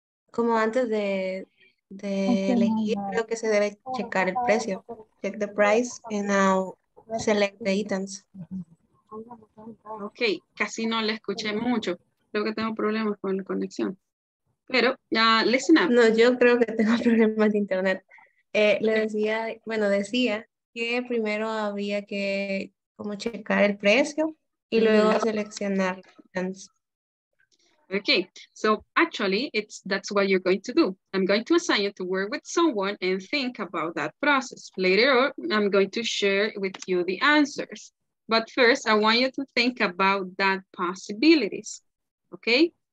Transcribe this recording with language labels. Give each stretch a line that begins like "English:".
Spanish: Como antes de elegir, creo que se debe checar el precio.
English: Check the price and now select the items.
Spanish: Ok, casi no le escuché mucho. Creo que tengo problemas con la conexión. Pero,
English: listen up.
Spanish: No, yo creo que tengo problemas de internet. Le decía, bueno, decía que primero había que como checar el precio y luego seleccionar items.
English: Okay, so actually, that's what you're going to do. I'm going to assign you to work with someone and think about that process. Later on, I'm going to share with you the answers. But first, I want you to think about that possibilities, okay?